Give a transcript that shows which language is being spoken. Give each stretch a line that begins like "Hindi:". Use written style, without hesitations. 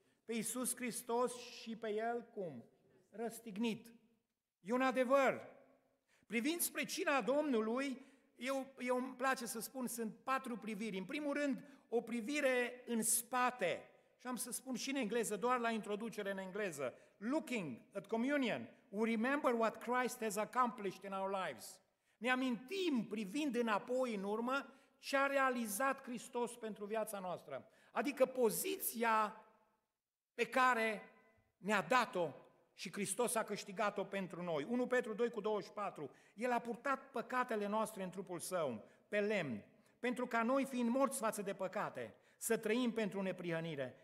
Romanian: Pe Iisus Hristos și pe El, cum? Răstignit. E un adevăr. Privind spre cina Domnului, eu îmi place să spun, sunt 4 priviri. În primul rând, o privire în spate. Și am să spun și în engleză, doar la introducere în engleză.
English: Looking at communion, we remember what Christ has accomplished in our lives.
Romanian: Ne amintim privind înapoi, în urmă, ce a realizat Hristos pentru viața noastră. Adică poziția pe care ne-a dat-o și Hristos a câștigat-o pentru noi. 1 Petru 2, 24. El a purtat păcatele noastre în trupul său, pe lemn, pentru ca noi, fiind morți față de păcate, să trăim pentru neprihănire.